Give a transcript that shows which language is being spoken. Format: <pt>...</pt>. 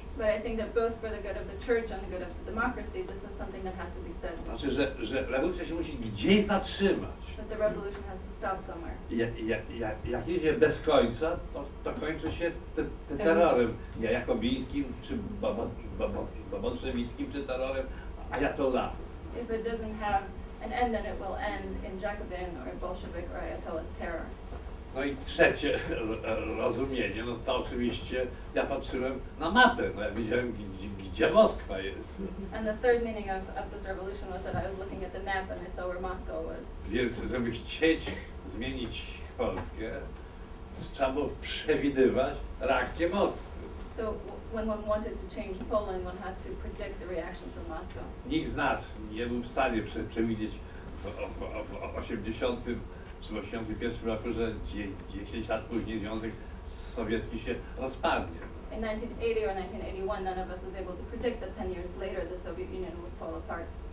<en>But I think that both for the good of the church and the good of the democracy, this was something that had to be said.</en> <pl>Znaczy, że rewolucja się musi gdzieś zatrzymać.</pl> <en>That the revolution has to stop somewhere.</en> <pl>Jak idzie bez końca, to kończy się terrorem. Ja jakobińskim, czy bolszewickim, czy terrorem, a ja to za.</pl> <en>If it doesn't have an end, then it will end in Jacobin or Bolshevik or Ayatollah's terror.</en> <pl>No i trzecie rozumienie, no to oczywiście ja patrzyłem na mapę, no ja widziałem, gdzie Moskwa jest.</pl> <en>And the third meaning of this revolution was that I was looking at the map and I saw where Moscow was.</en> <pl>Więc żeby chcieć zmienić Polskę, trzeba było przewidywać reakcję Moskwy.</pl> <en>So when one wanted to change Poland, one had to predict the reactions from Moscow.</en> <pl>Nikt z nas nie był w stanie przewidzieć w 81 roku, że 10 lat później Związek Sowiecki się rozpadnie.</pl> <en>In 1980 or 1981, none of us was able to predict that 10 years later the Soviet Union would fall apart.</en>